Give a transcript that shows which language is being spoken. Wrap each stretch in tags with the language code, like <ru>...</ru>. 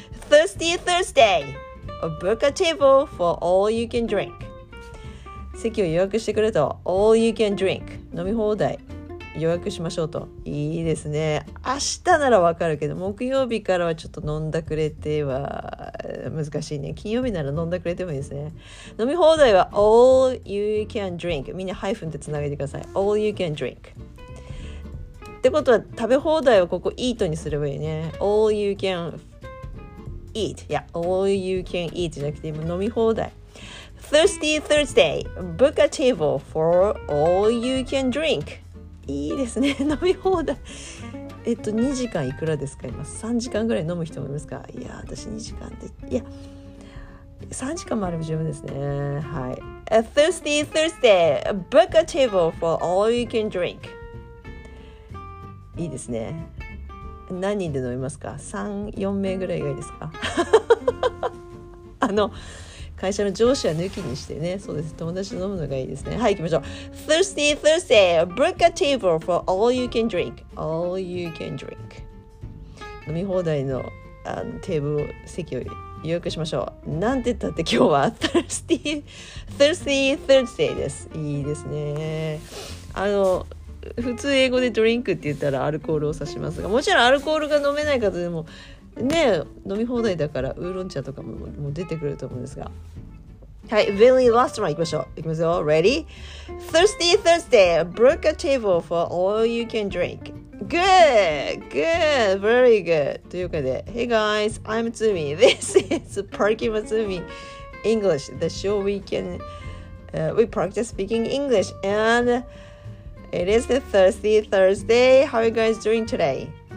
<en>thirsty Thursday、 book a table for all you can drink、</en> <ja>席を予約してくれと。</ja> <en>All you can drink、</en> <ja>飲み放題予約しましょうと。いいですね。明日なら分かるけど、木曜日からはちょっと飲んだくれては難しいね。金曜日なら飲んだくれてもいいですね。飲み放題は</ja> <en>All you can drink、</en> <ja>みんなハイフンでつなげてください。</ja> <en>All you can drink</en> <ja>ってことは、食べ放題はここ eat にすればいいね。</ja> <en>All you can eat、</en> <ja>いや、 All you can eat じゃなくて、今飲み放題。</ja> <en>Thirsty Thursday, book a table for all you can drink。</en> <ja>いいですね、飲み放題。2時間いくらですか今。 3時間ぐらい飲む人もいますか。いや、私2時間で、いや、3時間もあれば十分ですね。</ja> <en>はい、Thirsty Thursday, book a table for all you can drink。</en> <ja>いいですね。何人で飲みますか。 3、4名ぐらいがいいですか。あの、会社の上司は抜きにしてね。そうです、友達と飲むのがいいですね。はい、行きましょう。</ja> <en>Thirsty Thursday, book a table for all you can drink、 all you can drink、</en> <ja>飲み放題の、 あのテーブル席を予約しましょう。なんて言ったって今日は Thirsty Thursday です。いいですね。あの、普通英語でドリンクって言ったらアルコールを指しますが、もちろんアルコールが飲めない方でもね、飲み放題だからウーロン茶とかも出てくると思うんですが、はい、</ja> <en>Really last one、</en> <ja>いきますよ</ja> <en>Ready? Thirsty Thursday, book a table for all you can drink、 Good, very good.</en> <ja>というわけで、</ja> <en>Hey guys, I'm Tsumi. This is Parky Matsumi English, the show we can, we practice speaking English. And it is the Thursday. How are you guys doing today?</en>